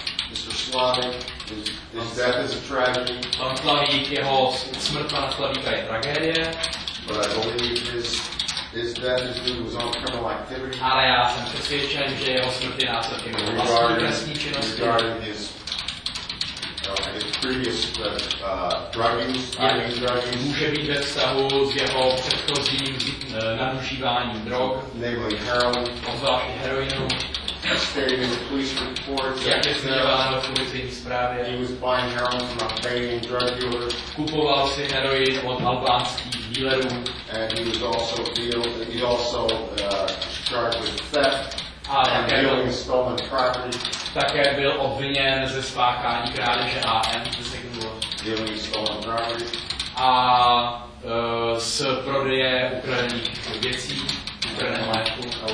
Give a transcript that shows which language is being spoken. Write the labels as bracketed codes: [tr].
[en] His death is a tragedy. [cs] Pan Slavík, jeho smrt pana Slavíka je tragédie. [en] But I believe his death is due to his own criminal activity. [cs] Ale já jsem přesvědčen, že jeho smrt je následkem jeho vlastní trestní činnosti. [en] Regarding his, you know, his previous drug use. [cs] Může být ve vztahu s jeho předchozím nadužíváním drog. [en] Namely heroin. [cs] Ozvláště heroinu. [en] Stated in the police reports that he was buying heroin from Albanian drug dealers. [cs] Kupoval si heroin od albánských dealerů. [en] And he was also charged with theft and dealing stolen property. [cs] Také byl obviněn ze spáchání krádeže AM, to se kdo. [en] Dealing stolen property. [cs] A z prodeje ukradených věcí, ukradeného majetku.